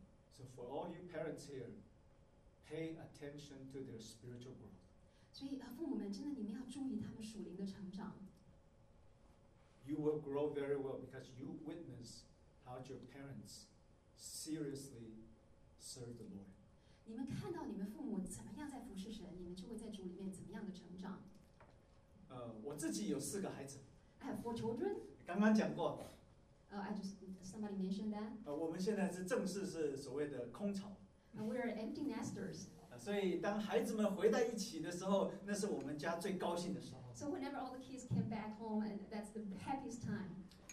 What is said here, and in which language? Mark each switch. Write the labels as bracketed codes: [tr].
[en] So for all you parents here, pay attention to their spiritual growth. [zh] 所以父母们真的你们要注意他们属灵的成长。 [en] You will grow very well because you witness how your parents seriously serve the Lord. [zh] 你们看到你们父母怎么样在服侍神，你们就会在主里面怎么样的成长。我自己有四个孩子。 [en] I have four children. [zh] 刚刚讲过。 [en] Somebody mentioned that. [zh] 我们现在是正式是所谓的空巢。 [en] We are empty nesters. [zh] 所以当孩子们回到一起的时候，那是我们家最高兴的时候。 [en] So whenever all the kids came back home, and that's the happiest time.